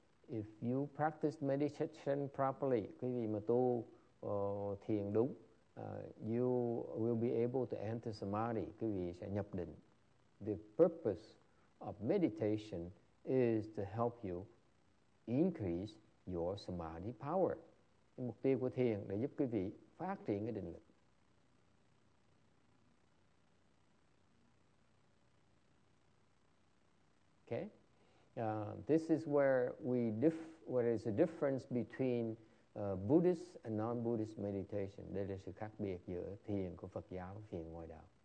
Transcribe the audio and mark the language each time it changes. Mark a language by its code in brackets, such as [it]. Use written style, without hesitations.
[en] If you practice meditation properly, [vi] quý vị mà tu thiền đúng, [en] you will be able to enter samadhi, [vi] quý vị sẽ nhập định. [en] The purpose of meditation is to help you increase your samadhi power. [vi] Mục tiêu của thiền để giúp quý vị phát triển cái định lực. [en] Okay? This is where there is a difference between Buddhist and non-Buddhist meditation, [vi] đây là sự khác biệt giữa thiền của Phật giáo và thiền ngoại đạo.